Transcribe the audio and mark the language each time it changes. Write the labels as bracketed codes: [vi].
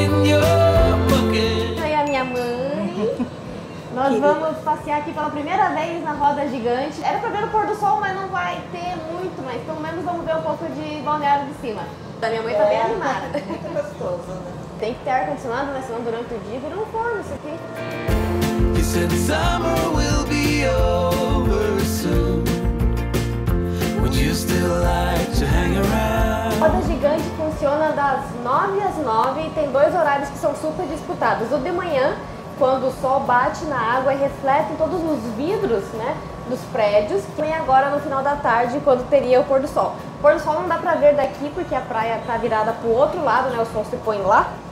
[pt] Uhul! Aí a minha mãe. Nós vamos passear aqui pela primeira vez na roda gigante. Era pra ver o pôr do sol, mas não vai ter muito mais. Pelo menos vamos ver um pouco de balneário de cima. Da minha mãe tá bem animada. Muito gostoso. Tem que ter ar-condicionado, né? Senão durante o dia vira um forno isso aqui. [en] He said summer will be over soon. Would you still like to hang around? [pt] A roda gigante funciona das 9 às 9 e tem dois horários que são super disputados. O de manhã, quando o sol bate na água e reflete em todos os vidros, né, dos prédios. E agora no final da tarde, quando teria o pôr do sol. O pôr do sol não dá pra ver daqui porque a praia tá virada pro outro lado, né? O sol se põe lá.